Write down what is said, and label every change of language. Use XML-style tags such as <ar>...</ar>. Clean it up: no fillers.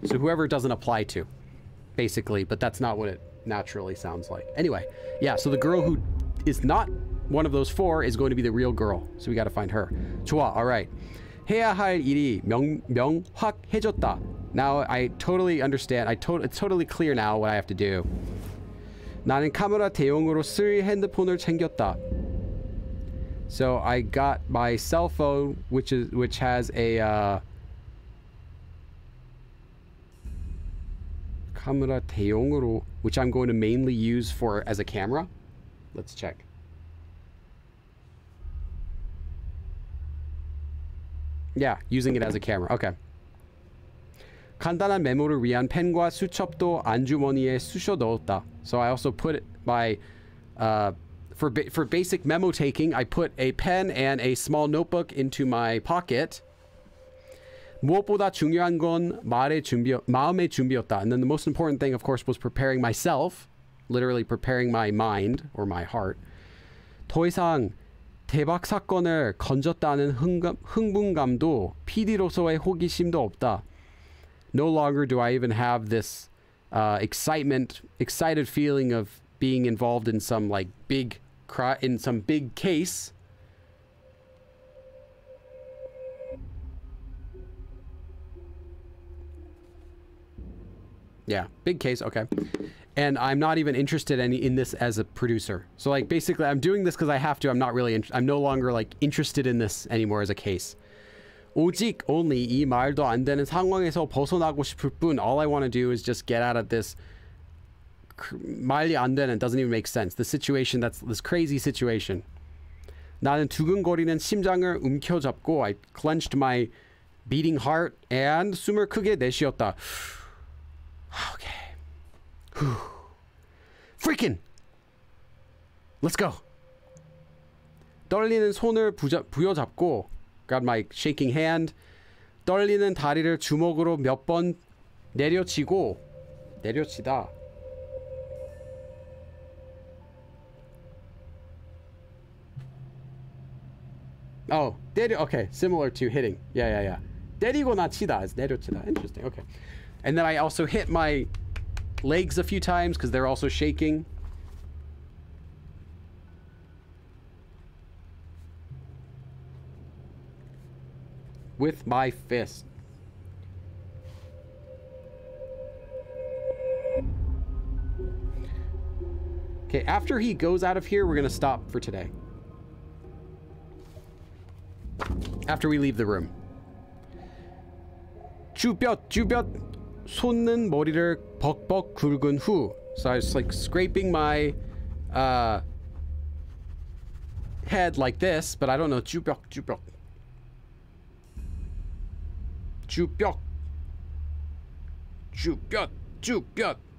<en>So whoever doesn't apply to, basically, but that's not what it naturally sounds like. Anyway, yeah, so the girl who is not one of those 4 is going to be the real girl. So we got to find her.</en> <ko>좋아,</ko> <en>all right.</en> <ko>해야 할 일이 명확해졌다.</ko> <en>Now I totally understand. It's totally clear now what I have to do.</en> <ko>나는 카메라 대용으로 쓸 핸드폰을 챙겼다.</ko> <en>So I got my cell phone, which has a</en> <ko>카메라 대용으로,</ko> <en>which I'm going to mainly use for as a camera. Let's check. Yeah, using it as a camera. Okay.</en> <ko>간단한 메모를 위한 펜과 수첩도 안주머니에 쑤셔 넣었다.</ko> <en>So I also put my for basic memo taking, I put a pen and a small notebook into my pocket.</en> <ko>무엇보다 중요한 건 마음의 준비였다.</ko> <en>And then the most important thing, of course, was preparing myself, literally preparing my mind or my heart.</en> <ko>더 이상 대박 사건을 건졌다는 흥분감도 PD로서의 호기심도 없다.</ko> <en>No longer do I even have this excited feeling of being involved in some like big case. Yeah, big case, okay. And I'm not even interested in this as a producer. So like basically I'm doing this because I have to. I'm not really I'm no longer like interested in this anymore as a case.</en> <ko>오직</ko> <en>only</en> <ko>이 말도 안 되는 상황에서 벗어나고 싶을 뿐.</ko> <en>All I want to do is just get out of this</en> <ko>말이 안 되는,</ko> <en>doesn't even make sense. The situation, that's this crazy situation.</en> <ko>나는 두근거리는 심장을 움켜잡고</ko> <en>I clenched my beating heart and</en> <ko>숨을 크게 내쉬었다.</ko> <en>Okay. Whew. Freaking! Let's go!</en> <ko>떨리는 손을 부여잡고</ko> <en>Got my shaking hand.</en> <ko>떨리는 다리를 주먹으로 몇 번 내려치고 내려치다.</ko> <en>Oh, 내려. Okay, similar to hitting. Yeah, yeah, yeah.</en> <ko>때리거나 치다 is 내려치다.</ko> <en>Interesting. Okay. And then I also hit my legs a few times because they're also shaking. With my fist. Okay, after he goes out of here, we're gonna stop for today. After we leave the room.</en> <ko>주볕 주볕 솟는 머리를 벅벅 긁은 후.</ko> <en>So I was like scraping my head like this, but I don't know.</en> <ko>주벽 주벽. 주벽 주벽 주벽.</ko>